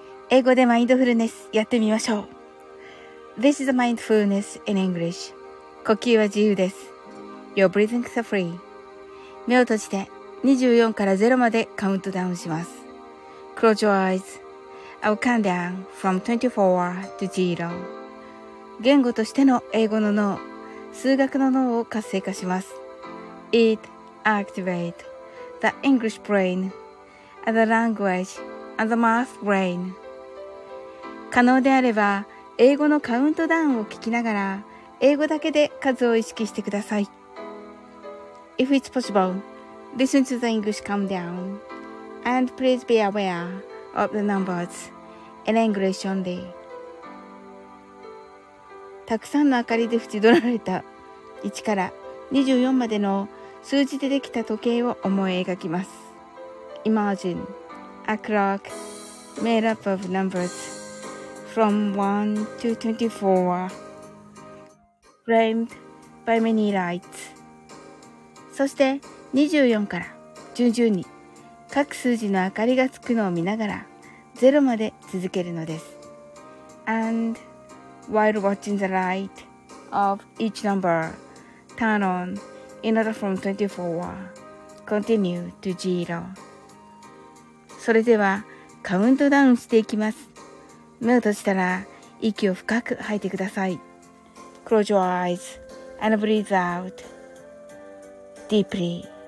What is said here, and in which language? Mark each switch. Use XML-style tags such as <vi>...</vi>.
<ja>英語でマインドフルネスやってみましょう。</ja> <en>This is mindfulness in English.</en> <ja>呼吸は自由です。</ja> <en>Your breathing is free.</en> <ja>目を閉じて24から0までカウントダウンします。</ja> <en>Close your eyes. I'll count down from 24 to 0.</en> <ja>言語としての英語の脳、数学の脳を活性化します。</ja> <en>It activates the English brain. And the language and the math brain.</en> <ja>可能であれば英語のカウントダウンを聞きながら英語だけで数を意識してください。</ja> <en>If it's possible, listen to the English countdown and please be aware of the numbers in English only.</en> <ja>たくさんの明かりで縁取られた1から24までの数字でできた時計を思い描きます。</ja> <en>Imagine a clock made up of numbers from 1 to 24, framed by many lights.</en> <ja>そして24から順々に各数字の明かりがつくのを見ながら0まで続けるのです。</ja> <en>And while watching the light of each number turn on in order from 24, continue to 0.</en> <ja>それではカウントダウンしていきます。目を閉じたら息を深く吐いてください。</ja> <en>Close your eyes and breathe out deeply.</en>